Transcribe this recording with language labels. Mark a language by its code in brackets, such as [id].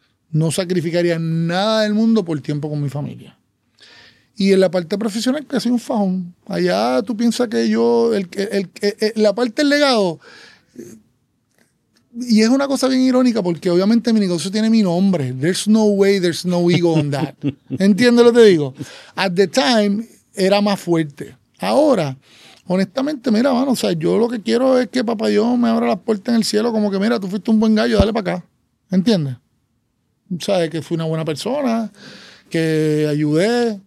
[es] No sacrificaría nada del mundo por tiempo con mi familia. Y en la parte profesional, que soy un fajón. Allá tú piensas que yo... La parte del legado, Y es una cosa bien irónica porque obviamente mi negocio tiene mi nombre. [en] There's no way, there's no ego on that. [es] ¿Entiendes lo que te digo? [en] At the time, [es] era más fuerte. Ahora, honestamente, mira, mano, o sea, yo lo que quiero es que papá Dios me abra las puertas en el cielo, como que mira, tú fuiste un buen gallo, dale para acá. ¿Entiendes? O sea, que fui una buena persona, que ayudé.